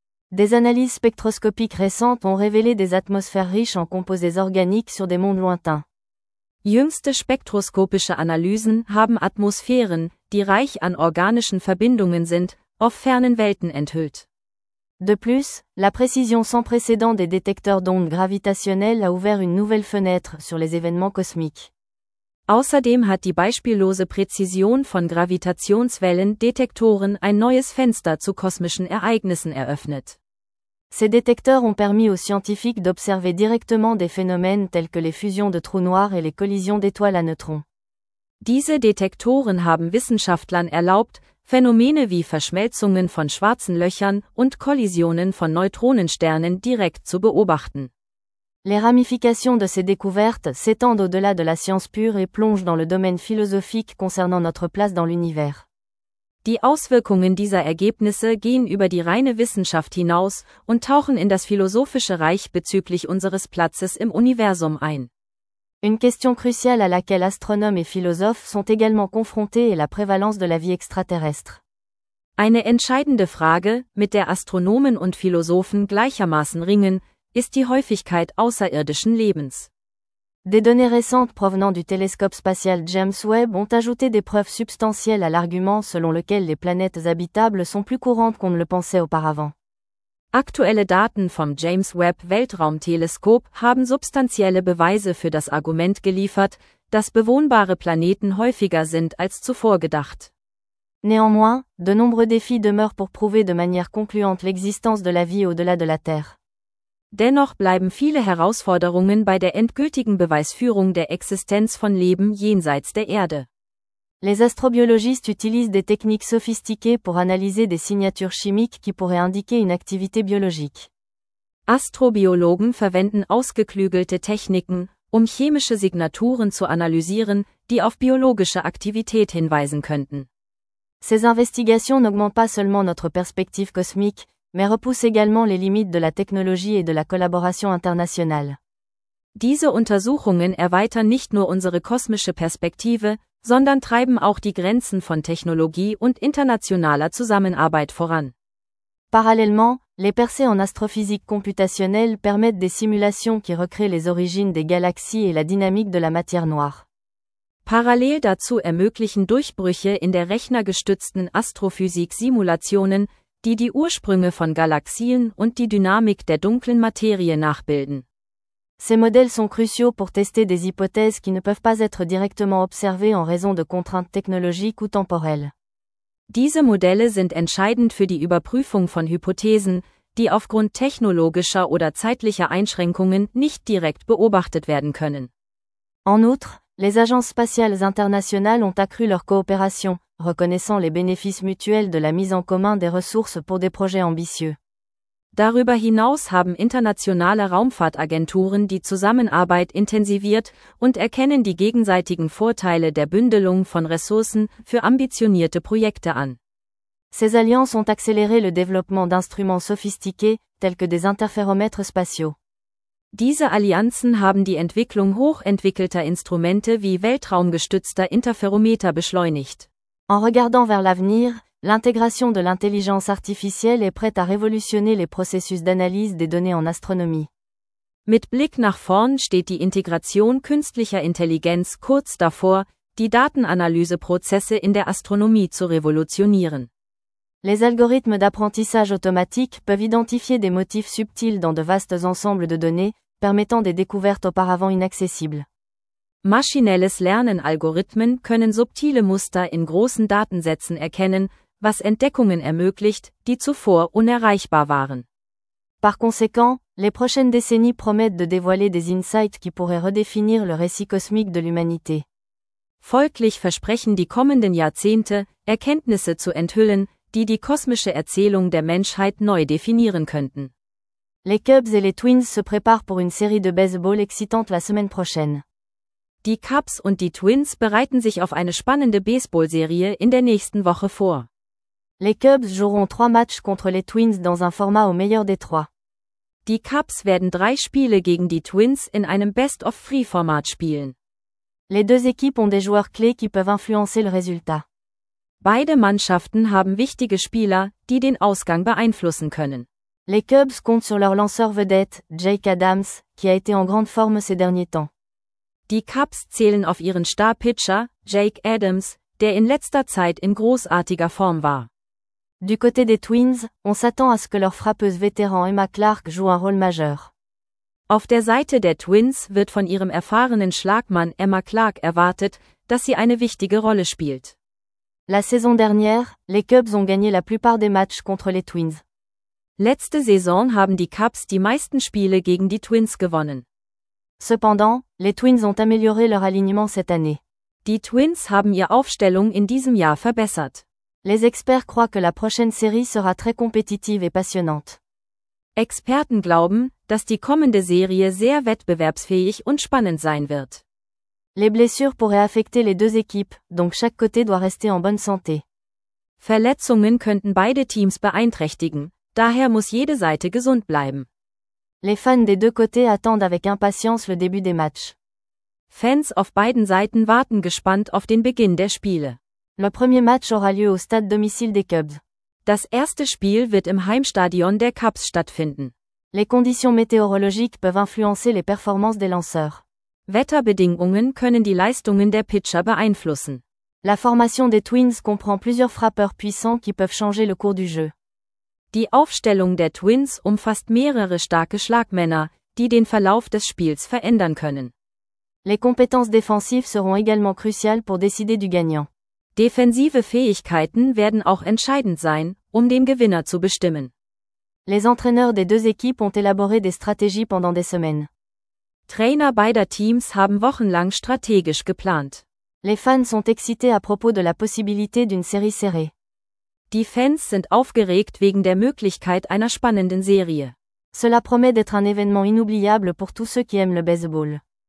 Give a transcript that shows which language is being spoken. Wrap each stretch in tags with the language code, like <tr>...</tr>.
<fr>Des analyses spectroscopiques récentes ont révélé des atmosphères riches en composés organiques sur des mondes lointains.</fr> <de>Jüngste spektroskopische Analysen haben Atmosphären, die reich an organischen Verbindungen sind, auf fernen Welten enthüllt.</de> <fr>De plus, la précision sans précédent des détecteurs d'ondes gravitationnelles a ouvert une nouvelle fenêtre sur les événements cosmiques.</fr> <de>Außerdem hat die beispiellose Präzision von Gravitationswellen-Detektoren ein neues Fenster zu kosmischen Ereignissen eröffnet.</de> <fr>Ces détecteurs ont permis aux scientifiques d'observer directement des phénomènes tels que les fusions de trous noirs et les collisions d'étoiles à neutrons.</fr> <de>Diese Detektoren haben Wissenschaftlern erlaubt, Phänomene wie Verschmelzungen von schwarzen Löchern und Kollisionen von Neutronensternen direkt zu beobachten.</de> <fr>Les ramifications de ces découvertes s'étendent au-delà de la science pure et plongent dans le domaine philosophique concernant notre place dans l'univers.</fr> <de>Die Auswirkungen dieser Ergebnisse gehen über die reine Wissenschaft hinaus und tauchen in das philosophische Reich bezüglich unseres Platzes im Universum ein.</de> <fr>Une question cruciale à laquelle astronomes et philosophes sont également confrontés est la prévalence de la vie extraterrestre.</fr> <de>Eine entscheidende Frage, mit der Astronomen und Philosophen gleichermaßen ringen, ist die Häufigkeit außerirdischen Lebens.</de> <fr>Des données récentes provenant du télescope spatial James Webb ont ajouté des preuves substantielles à l'argument selon lequel les planètes habitables sont plus courantes qu'on ne le pensait auparavant.</fr> <de>Aktuelle Daten vom James Webb Weltraumteleskop haben substanzielle Beweise für das Argument geliefert, dass bewohnbare Planeten häufiger sind als zuvor gedacht.</de> <fr>Néanmoins, de nombreux défis demeurent pour prouver de manière concluante l'existence de la vie au-delà de la Terre.</fr> <de>Dennoch bleiben viele Herausforderungen bei der endgültigen Beweisführung der Existenz von Leben jenseits der Erde.</de> <fr>Les astrobiologistes utilisent des techniques sophistiquées pour analyser des signatures chimiques qui pourraient indiquer une activité biologique.</fr> <de>Astrobiologen verwenden ausgeklügelte Techniken, um chemische Signaturen zu analysieren, die auf biologische Aktivität hinweisen könnten.</de> <fr>Ces investigations n'augmentent pas seulement notre perspective cosmique, mais repoussent également les limites de la technologie et de la collaboration internationale.</fr> <de>Diese Untersuchungen erweitern nicht nur unsere kosmische Perspektive, sondern treiben auch die Grenzen von Technologie und internationaler Zusammenarbeit voran.</de> <fr>Parallèlement, les percées en astrophysique computationnelle permettent des simulations qui recréent les origines des galaxies et la dynamique de la matière noire.</fr> <de>Parallel dazu ermöglichen Durchbrüche in der rechnergestützten Astrophysik Simulationen, die die Ursprünge von Galaxien und die Dynamik der dunklen Materie nachbilden.</de> <fr>Ces modèles sont cruciaux pour tester des hypothèses qui ne peuvent pas être directement observées en raison de contraintes technologiques ou temporelles.</fr> <de>Diese Modelle sind entscheidend für die Überprüfung von Hypothesen, die aufgrund technologischer oder zeitlicher Einschränkungen nicht direkt beobachtet werden können.</de> <fr>En outre, les agences spatiales internationales ont accru leur coopération, reconnaissant les bénéfices mutuels de la mise en commun des ressources pour des projets ambitieux.</fr> <de>Darüber hinaus haben internationale Raumfahrtagenturen die Zusammenarbeit intensiviert und erkennen die gegenseitigen Vorteile der Bündelung von Ressourcen für ambitionierte Projekte an.</de> <fr>Ces alliances ont accéléré le développement d'instruments sophistiqués, tels que des interféromètres spatiaux.</fr> <de>Diese Allianzen haben die Entwicklung hochentwickelter Instrumente wie weltraumgestützter Interferometer beschleunigt.</de> <fr>En regardant vers l'avenir, l'intégration de l'intelligence artificielle est prête à révolutionner les processus d'analyse des données en astronomie.</fr> <de>Mit Blick nach vorn steht die Integration künstlicher Intelligenz kurz davor, die Datenanalyseprozesse in der Astronomie zu revolutionieren.</de> <fr>Les algorithmes d'apprentissage automatique peuvent identifier des motifs subtils dans de vastes ensembles de données, permettant des découvertes auparavant inaccessibles.</fr> <de>Maschinelles Lernen-Algorithmen können subtile Muster in großen Datensätzen erkennen, was Entdeckungen ermöglicht, die zuvor unerreichbar waren.</de> <fr>Par conséquent, les prochaines décennies promettent de dévoiler des insights qui pourraient redéfinir le récit cosmique de l'humanité.</fr> <de>Folglich versprechen die kommenden Jahrzehnte, Erkenntnisse zu enthüllen, die die kosmische Erzählung der Menschheit neu definieren könnten.</de> <fr>Les Cubs et les Twins se préparent pour une série de baseball excitante la semaine prochaine.</fr> <de>Die Cubs und die Twins bereiten sich auf eine spannende Baseballserie in der nächsten Woche vor.</de> <fr>Les Cubs joueront trois matchs contre les Twins dans un format au meilleur des trois.</fr> <de>Die Cubs werden drei Spiele gegen die Twins in einem Best-of-Three-Format spielen.</de> <fr>Les deux équipes ont des joueurs clés qui peuvent influencer le résultat.</fr> <de>Beide Mannschaften haben wichtige Spieler, die den Ausgang beeinflussen können.</de> <fr>Les Cubs comptent sur leur lanceur vedette, Jake Adams, qui a été en grande forme ces derniers temps.</fr> <de>Die Cubs zählen auf ihren Star-Pitcher, Jake Adams, der in letzter Zeit in großartiger Form war.</de> <fr>Du côté des Twins, on s'attend à ce que leur frappeuse vétéran Emma Clark joue un rôle majeur.</fr> <de>Auf der Seite der Twins wird von ihrem erfahrenen Schlagmann Emma Clark erwartet, dass sie eine wichtige Rolle spielt.</de> <fr>La saison dernière, les Cubs ont gagné la plupart des matchs contre les Twins.</fr> <de>Letzte Saison haben die Cubs die meisten Spiele gegen die Twins gewonnen.</de> <fr>Cependant, les Twins ont amélioré leur alignement cette année.</fr> <de>Die Twins haben ihre Aufstellung in diesem Jahr verbessert.</de> <fr>Les experts croient que la prochaine série sera très compétitive et passionnante.</fr> <de>Experten glauben, dass die kommende Serie sehr wettbewerbsfähig und spannend sein wird.</de> <fr>Les blessures pourraient affecter les deux équipes, donc chaque côté doit rester en bonne santé.</fr> <de>Verletzungen könnten beide Teams beeinträchtigen, daher muss jede Seite gesund bleiben.</de> <fr>Les fans des deux côtés attendent avec impatience le début des matchs.</fr> <de>Fans auf beiden Seiten warten gespannt auf den Beginn der Spiele.</de> <fr>Le premier match aura lieu au stade domicile des Cubs.</fr> <de>Das erste Spiel wird im Heimstadion der Cubs stattfinden.</de> <fr>Les conditions météorologiques peuvent influencer les performances des lanceurs.</fr> <de>Wetterbedingungen können die Leistungen der Pitcher beeinflussen.</de> <fr>La formation des Twins comprend plusieurs frappeurs puissants qui peuvent changer le cours du jeu.</fr> <de>Die Aufstellung der Twins umfasst mehrere starke Schlagmänner, die den Verlauf des Spiels verändern können.</de> <fr>Les compétences défensives seront également cruciales pour décider du gagnant.</fr> <de>Defensive Fähigkeiten werden auch entscheidend sein, um den Gewinner zu bestimmen.</de> <fr>Les entraîneurs des deux équipes ont élaboré des stratégies pendant des semaines.</fr> <de>Trainer beider Teams haben wochenlang strategisch geplant.</de> <fr>Les fans sont excités à propos de la possibilité d'une série serrée.</fr> <de>Die Fans sind aufgeregt wegen der Möglichkeit einer spannenden Serie.</de> <fr>Cela promet d'être un événement inoubliable pour tous ceux qui aiment le baseball.</fr>